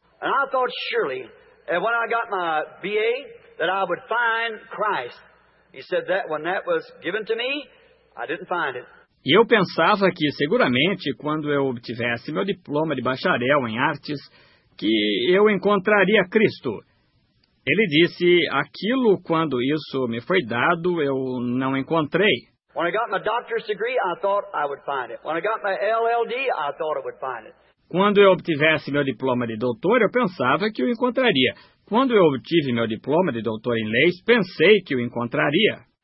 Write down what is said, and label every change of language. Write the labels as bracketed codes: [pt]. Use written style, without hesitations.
[en] And I thought, surely, when I got my BA, that I would find Christ. He said that when that was given to me, I didn't find it. [pt] E eu pensava que, seguramente, quando eu obtivesse meu diploma de bacharel em artes, que eu encontraria Cristo. Ele disse, aquilo, quando isso me foi dado, eu não encontrei. [en] When I got my doctor's degree, I thought I would find it. When I got my LLD, I thought I would find it. [pt] Quando eu obtivesse meu diploma de doutor, eu pensava que o encontraria. Quando eu obtive meu diploma de doutor em leis, pensei que o encontraria.